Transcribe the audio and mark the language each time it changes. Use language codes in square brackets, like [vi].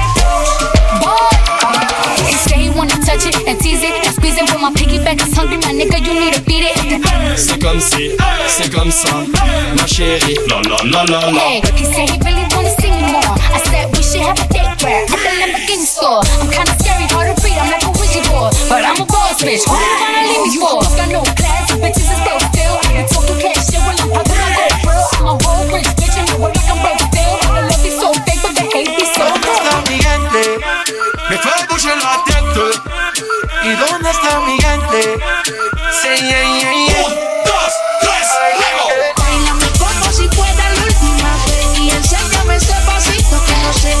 [en] Boy, say you wanna touch it and tease it and squeeze it, but my piggyback is hungry, my nigga, you need to beat it. [fr] C'est comme si, c'est comme ça, ma chérie, la la la la la. [en] He said he really wanna see me more. I said we should have a date where at the Lamborghini store. I'm kinda scary, hard to read, I'm like a wizard boy. But I'm a boss bitch, who you wanna leave me for? You got no class, you bitches is broke still. You talk, you can't shit, well I'm poppin' on gold, bro. I'm a world rich bitch and I work like I'm broke still. The love is so fake, but the hate is so good. Where is my gente? [es] Me fue el bush en la tente. ¿Y dónde está mi gente? [en] Say yeah, yeah, yeah. [es] Un, dos, tres, luego. Báilame como si fuera la última vez. Y enséñame ese pasito que no sé.